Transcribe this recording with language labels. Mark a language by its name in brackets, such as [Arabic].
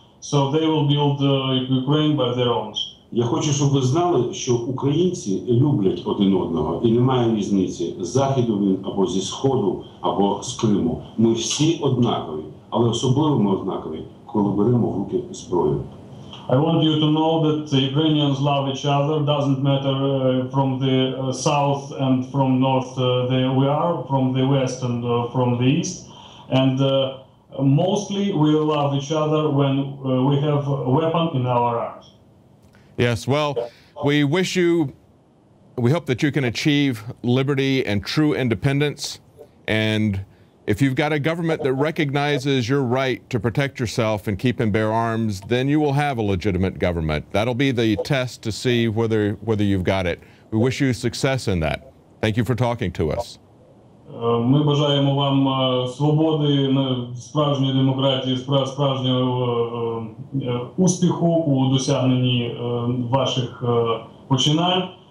[English] So they will build Ukraine by their own. [Ukrainian] Я хочу, щоб ви знали, що українці люблять один одного, і немає різниці, з Заходу він, або зі Сходу, або з Криму. Ми всі однакові, але особливо ми однакові, коли беремо в руки зброю. [English] I want you to know that Ukrainians love each other, doesn't matter from the south and from north we are, from the west and from the east. And mostly we love each other when we have a weapon in our arms. Yes, well, we wish you, we hope that you can achieve liberty and true independence. And if you've got a government that recognizes your right to protect yourself and keep and bear arms, then you will have a legitimate government. That'll be the test to see whether you've got it. We wish you success in that. Thank you for talking to us. [Ukrainian] Ми бажаємо вам свободи, справжньої демократії, справжнього успіху у досягненні ваших починань.